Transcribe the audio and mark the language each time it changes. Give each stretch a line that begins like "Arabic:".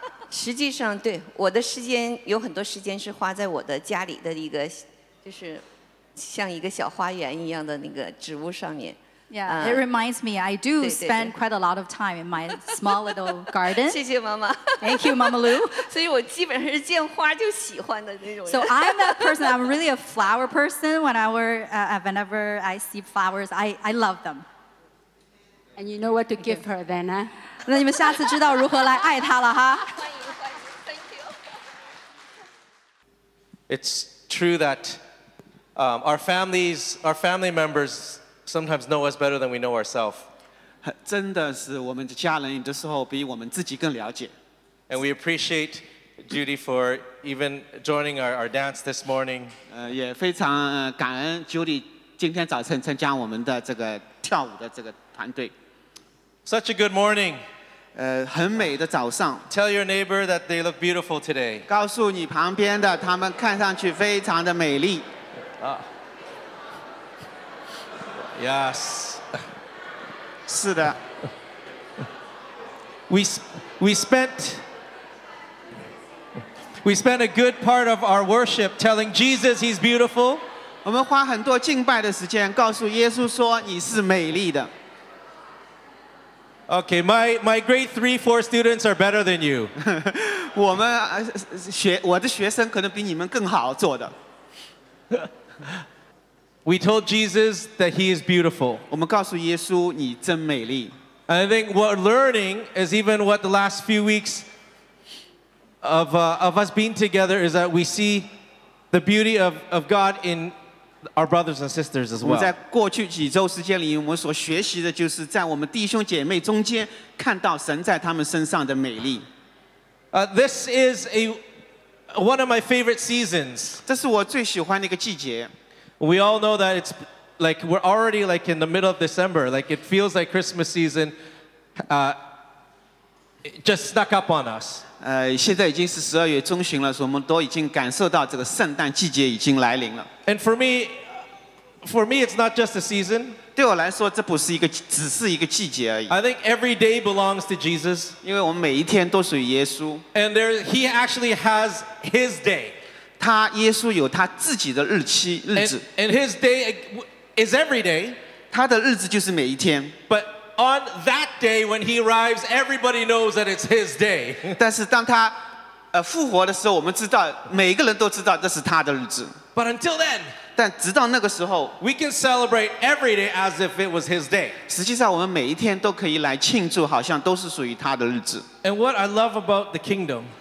Chinese: 实际上，对我的时间有很多时间是花在我的家里的一个，就是像一个小花园一样的那个植物上面。
English: Yeah, it reminds me, I do spend quite a lot of time in my small little garden.
Chinese: 谢谢妈妈。
English: Thank you, Mama Lou.
Chinese: 所以我基本上是见花就喜欢的那种人。
English: So I'm that person, I'm really a flower person. Whenever I see flowers, I love them. And you know what to give her then, huh?
Chinese: 那你们下次知道如何来爱她了哈。欢迎
English: ,thank you. It's true that our family members... Sometimes know us better than we know ourselves.
Chinese: 真的是我们的家人有的时候比我们自己更了解。
English: And we appreciate Judy for even joining our dance this morning.
Chinese: 也非常感恩 Judy 今天早晨参加我们的这个跳舞的这个团队。
English: Such a good morning.
Chinese: 很美的早上。
English: Tell your neighbor that they look beautiful today.
Chinese: 告诉你旁边的，他们看上去非常的美丽。
English: Yes.
Chinese: 是的。
English: We spent a good part of our worship telling Jesus he's beautiful.
Chinese: 我们花很多敬拜的时间告诉耶稣说你是美丽的。
English: Okay, my grade 3-4 students are better than you.
Chinese: 我的学生可能比你们更好做的。
English: We told Jesus that he is beautiful.
Chinese: 我们告诉耶稣你真美丽。
English: And I think what we're learning is even what the last few weeks of us being together is that we see the beauty of God in our brothers and sisters as well.
Chinese: 在过去几周时间里，我们所学习的就是在我们弟兄姐妹中间看到神在他们身上的美丽。
English: This is one of my favorite seasons.
Chinese: 这是我最喜欢的一个季节。
English: We all know that it's like we're already like in the middle of December. Like it feels like Christmas season just snuck up on us.
Chinese: 现在已经是十二月中旬了，所以我们都已经感受到这个圣诞季节已经来临了。
English: And for me, it's not just a season.
Chinese: 对我来说，这不是一个只是一个季节而已。
English: I think every day belongs to Jesus.
Chinese: 因为我们每一天都属于耶稣。
English: And there, he actually has his day.
Chinese: 他耶稣有他自己的日期日子。
English: And his day is every day.
Chinese: 他的日子就是每一天。
English: But on that day when he arrives, everybody knows that it's his day.
Chinese: 但是当他复活的时候，我们知道每个人都知道这是他的日子。
English: But until then,
Chinese: 但直到那个时候
English: we can celebrate every day as if it was his day.
Chinese: 实际上我们每一天都可以来庆祝，好像都是属于他的日子。
English: And what I love about the kingdom,